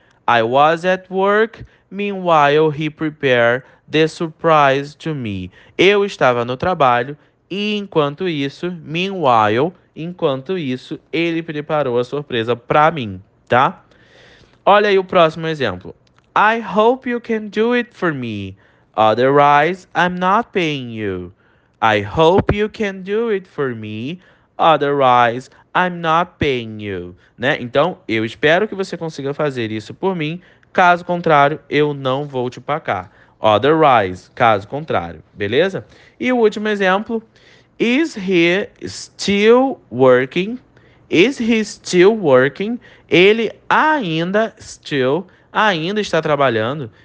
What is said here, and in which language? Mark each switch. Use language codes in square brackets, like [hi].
[en] I was at work. Meanwhile, he prepared the surprise to me. [pt] Eu estava no trabalho e enquanto isso, meanwhile, enquanto isso, ele preparou a surpresa para mim, tá? Olha aí o próximo exemplo. [en] I hope you can do it for me. Otherwise, I'm not paying you. I hope you can do it for me. Otherwise, I'm not paying you, né? [pt] Então, eu espero que você consiga fazer isso por mim. Caso contrário, eu não vou te pagar. Otherwise, caso contrário, beleza? E o último exemplo: [en] Is he still working? Is he still working? [pt] Ele ainda está trabalhando.